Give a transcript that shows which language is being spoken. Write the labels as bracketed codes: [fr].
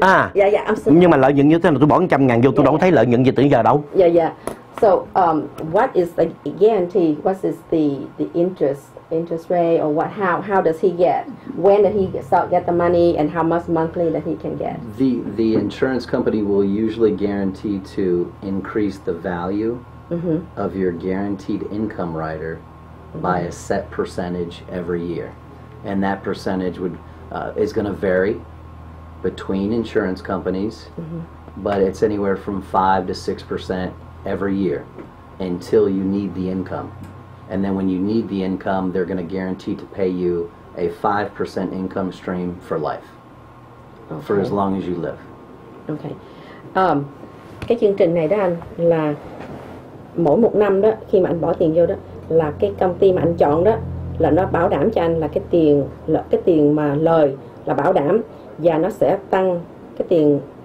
[vi] À. Dạ dạ. Nhưng mà lợi nhuận như thế là tôi bỏ 100.000 vô, tôi đâu có thấy lợi nhuận gì từ giờ đâu. Dạ dạ. [en] So what is the guarantee? What is the interest rate or what, how does he get? When does he get the money and how much monthly that he can get? The insurance company will usually guarantee to increase the value of your guaranteed income rider by a set percentage every year. And that percentage would is going to vary between insurance companies, but it's anywhere from 5 to 6% every year until you need the income. And then when you need the income, they're going to guarantee to pay you a 5% income stream for life, for as long as you live. Okay. [vi] Cái chương trình này đó anh, là mỗi một năm đó khi mà anh bỏ tiền vô đó là cái công ty mà anh chọn đó là nó bảo đảm cho anh là cái tiền mà lời là bảo đảm và nó sẽ tăng cái tiền